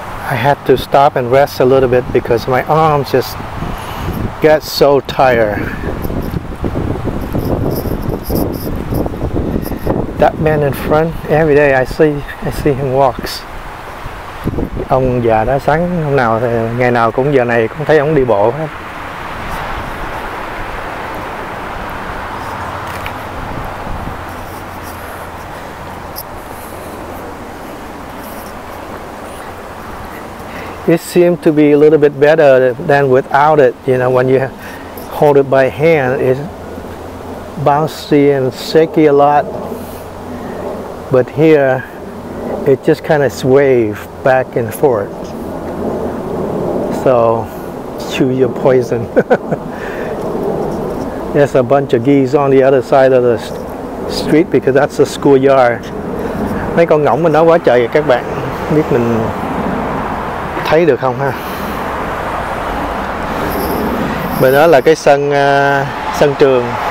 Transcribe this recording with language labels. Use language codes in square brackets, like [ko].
[en] I had to stop and rest a little bit because my arms just get so tired. That man in front, every day I see him walks. [vi] Ông già đó sáng hôm nào thì ngày nào cũng giờ này cũng thấy ông đi bộ hết. [en] It seemed to be a little bit better than without it. You know, when you hold it by hand, it's bouncy and shaky a lot. But here, it just kind of swaves back and forth. So, choose your poison. There's a bunch of geese on the other side of the street because that's the schoolyard. [vi] Mấy con ngỗng mình đó quá trời rồi các bạn. Biết mình thấy được không ha? Bên đó là cái sân sân trường.